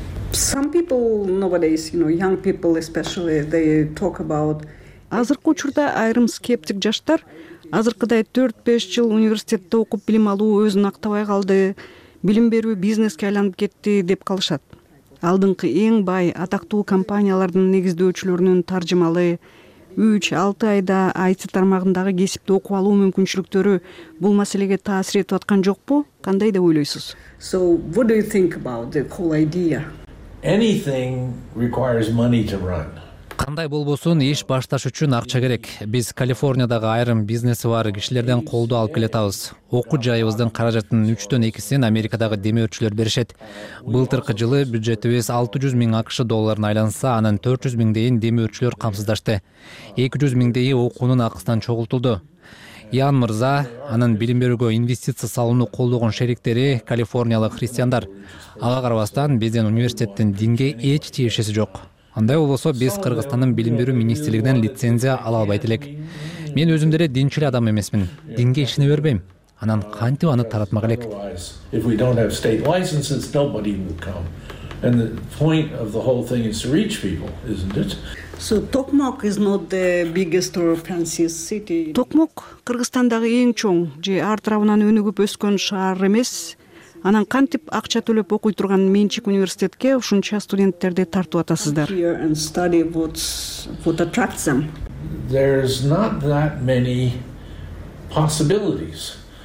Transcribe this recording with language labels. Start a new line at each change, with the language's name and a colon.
English: Some people nowadays, you know, young people especially, they talk about.
Kyrgyz: Азыркы учурда айрым скептик жаштар азыркыдай 4-5 жыл университетте окуп билим алуу өзүн актабай калды, билим берүү бизнеске айланып кетти деп калышат. Алдыңкы эң бай атактуу компаниялардын негиздөөчүлөрүнүн таржымалы 3-6 айда IT тармагындагы кесипти окуп алуу мүмкүнчүлүктөрү бул маселеге таасир этип аткан жокпу? Кандай деп ойлойсуз?
English: So, what do you think about the whole idea? Anything requires money to run.
Kyrgyz: Кандай болбосун иш башташ үчүн акча керек. Биз Калифорниядагы айрым бизнеси бар кишилерден колдоо алып келетабыз. Окуу жайыбыздын каражатынын 3/2 Америкадагы демөөрчүлөр беришет. Былтыркы жылы бюджетибиз 600 миң АКШ долларына айланса, анын 400 миңдейин демөөрчүлөр камсыздашты. 200 миңдейи окуунун акысынан чогултулду. Ян мырза, анын билим берүүгө инвестиция салууну колдогон шериктери Калифорниялык христиандар. Ага карабастан биздин университеттин динге эч тиешеси жок. Андай болсо биз Кыргызстандын билим берүү министрлигинен лицензия ала албайт элек. Мен өзүм деле динчил адам эмесмин. Динге ишене бербейм. Анан кантип аны таратмак элек?
English: If we don't have state licenses, nobody will come. And the point of the whole thing is to reach people, isn't it? So Токмок is not the biggest or fanciest city.
Kyrgyz: Токмок Кыргызстандагы эң чоң же ар тарабынан өнүгүп өскөн шаар эмес. Анан кантип акча төлөп окуй турган менчик университетке ушунча студенттерди тартып атасыздар?
English: There's not that many possibilities.